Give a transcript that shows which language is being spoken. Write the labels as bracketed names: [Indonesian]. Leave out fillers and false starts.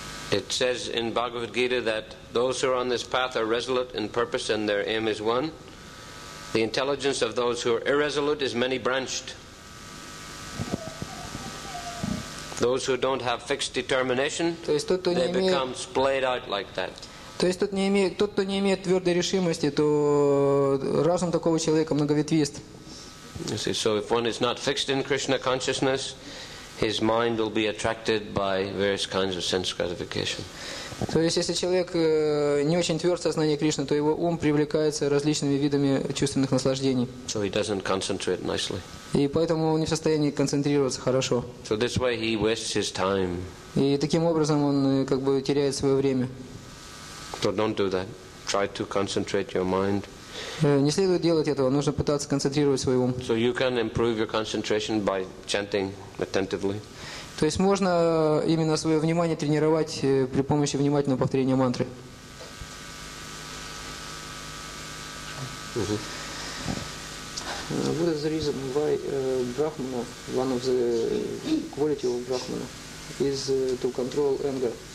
[English] It says in Bhagavad Gita that those who are on this path are resolute in purpose and their aim is one. The intelligence of those who are irresolute is many branched. Those who don't have fixed determination, they become splayed out like that. [Russian] То есть тот, кто не имеет твердой решимости, то разум такого человека многоветвист. [English] So if one is not fixed in Krishna consciousness, his mind will be attracted by various kinds of sense gratification. [Russian] То есть если человек не очень тверд в сознании Кришны, то его ум привлекается различными видами чувственных наслаждений. [English] So he doesn't concentrate nicely. [Russian] И поэтому он не в состоянии концентрироваться хорошо. [English] So this way he wastes his time. [Russian] И таким образом он как бы теряет свое время. [English] So don't do that. Try to concentrate your mind. [Russian] Не следует делать этого, нужно пытаться концентрировать свой ум. [English] So you can improve your concentration by chanting attentively. [Russian] То есть можно именно свое внимание тренировать при помощи внимательного повторения мантры. [English] What is the reason why Brahmana, one of the quality of Brahmana, is to control anger?